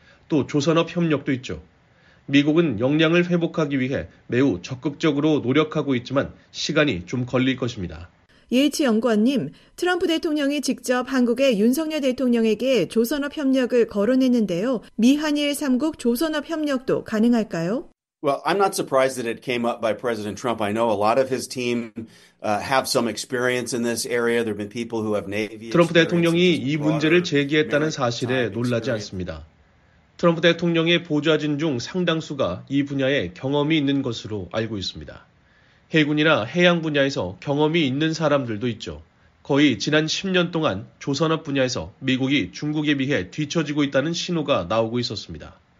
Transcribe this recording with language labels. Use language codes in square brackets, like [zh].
[ko] 또 조선업 협력도 있죠. 미국은 역량을 회복하기 위해 매우 적극적으로 노력하고 있지만 시간이 좀 걸릴 것입니다. 예이치 연구원님, 트럼프 대통령이 직접 한국의 윤석열 대통령에게 조선업 협력을 거론했는데요. 미한일 3국 조선업 협력도 가능할까요? [en] Well, I'm not surprised that it came up by President Trump. I know a lot of his team have some experience in this area. There have been people who have Navy. [ko] 트럼프 대통령이 이 문제를 제기했다는 사실에 놀라지 않습니다. 트럼프 대통령의 보좌진 중 상당수가 이 분야에 경험이 있는 것으로 알고 있습니다. 해군이나 해양 분야에서 경험이 있는 사람들도 있죠. 거의 지난 10년 동안 조선업 분야에서 미국이 중국에 비해 뒤처지고 있다는 신호가 나오고 있었습니다.